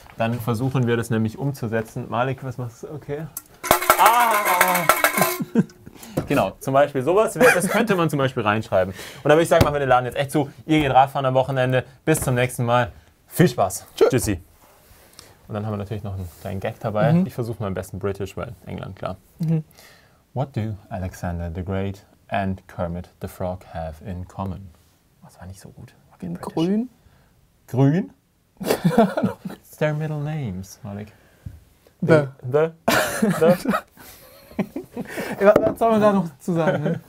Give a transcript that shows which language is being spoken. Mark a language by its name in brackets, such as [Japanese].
[German] Dann versuchen wir das nämlich umzusetzen. Malek, was machst du? Okay. Ah! Genau, zum Beispiel sowas. Das könnte man zum Beispiel reinschreiben. Und da würde ich sagen, machen wir den Laden jetzt echt zu. Ihr geht Radfahren am Wochenende. Bis zum nächsten Mal. Viel Spaß. Tschüss. Tschüssi. Und dann haben wir natürlich noch einen kleinen Gag dabei. Ich versuche mal am besten British, weil England, klar. [English] What do Alexander the Great and Kermit the Frog have in common? [German] Das war nicht so gut. Grün? Grün? [English] It's their middle names, Malik. The. [German] Was soll man da noch zu sagen? Ne?